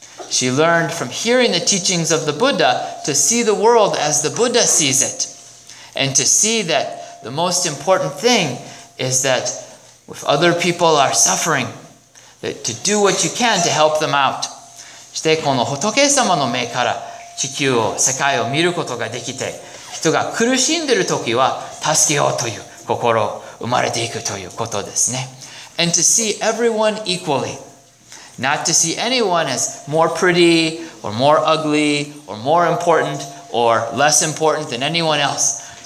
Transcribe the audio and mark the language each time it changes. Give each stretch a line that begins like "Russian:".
English: She learned from hearing the teachings of the Buddha to see the world as the Buddha sees it. And to see that the most important thing is that if other people are suffering, that to do what you can to help them out.
Japanese: して、この仏様の目から地球を、世界を見ることができて、人が苦しんでいる時は助けようという心を生まれていくということですね。
English: And to see everyone equally. Not to see anyone as more pretty or more ugly or more important or less important than anyone else.